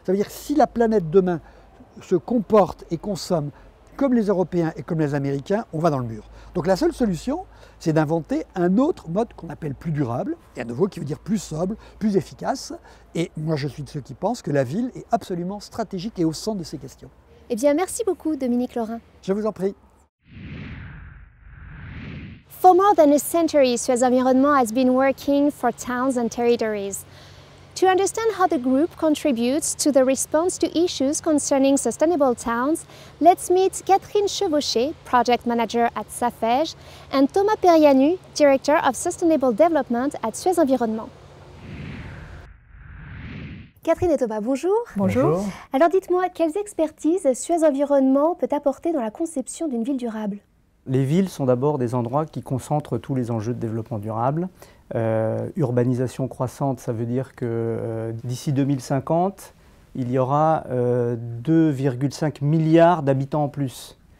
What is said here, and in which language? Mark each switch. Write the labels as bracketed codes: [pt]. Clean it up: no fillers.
[fr] Ça veut dire que si la planète demain se comporte et consomme comme les Européens et comme les Américains, on va dans le mur. Donc la seule solution, c'est d'inventer un autre mode qu'on appelle plus durable, et à nouveau qui veut dire plus sobre, plus efficace. Et moi, je suis de ceux qui pensent que la ville est absolument stratégique et au centre de ces questions. Eh bien, merci beaucoup, Dominique Laurin. Je vous en prie. [en] For more than a century, Suez Environnement has been working for towns and territories. To understand how the group contributes to the response to issues concerning sustainable towns, let's meet Catherine Chevaucher, Project Manager at SAFEJ, and Thomas Perianu, Director of Sustainable Development at Suez Environnement. [fr] Catherine et Thomas, bonjour. Bonjour. Alors dites-moi, quelles expertises Suez Environnement peut apporter dans la conception d'une ville durable ? Les villes sont d'abord des endroits qui concentrent tous les enjeux de développement durable. Urbanisation croissante, ça veut dire que d'ici 2050, il y aura 2,5 milliards d'habitants en plus.